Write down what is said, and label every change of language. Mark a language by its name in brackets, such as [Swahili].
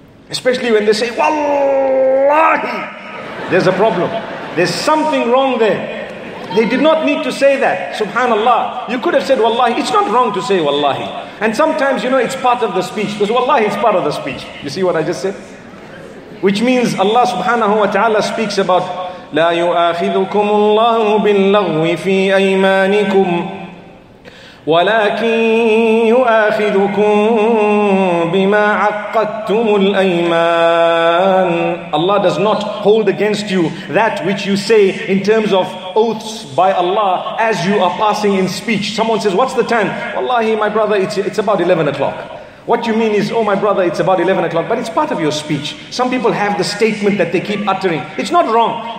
[English] Especially when they say, Wallahi, there's a problem. There's something wrong there. They did not need to say that. Subhanallah. You could have said Wallahi. It's not wrong to say Wallahi. And sometimes, you know, it's part of the speech. Because Wallahi is part of the speech. You see what I just said? Which means Allah subhanahu wa ta'ala speaks about [Arabic] لا يؤاخذكم الله باللغو في أيمانكم ولكن يؤاخذكم بما عقدتم الأيمان. [English] Allah does not hold against you that which you say in terms of oaths by Allah as you are passing in speech. Someone says, what's the time? Wallahi, my brother, it's about 11 o'clock. What you mean is, oh my brother, it's about 11 o'clock, but it's part of your speech. Some people have the statement that they keep uttering. It's not wrong.